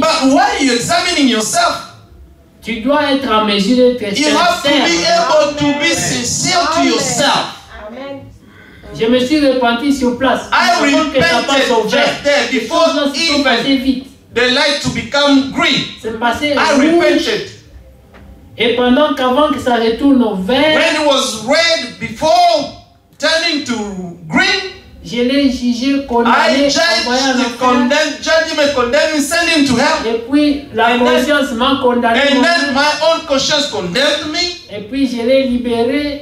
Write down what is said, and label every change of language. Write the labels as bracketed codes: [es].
[en] but while you're examining yourself, [fr] Tu dois être en mesure d'être sincère. [en] You have to be able to be sincere to yourself. [fr] Je me suis repenti sur place. [en] I repented just there before even the light to become green. I repented. [fr] Et pendant qu'avant que ça retourne au vert, [en] when it was red before turning to green, [fr] je l'ai jugé, condamné, [en] condemned, sent him to hell. [fr] Et puis la conscience m'a condamné. [en] And then my own conscience condemned me. [fr] Et puis je l'ai libéré.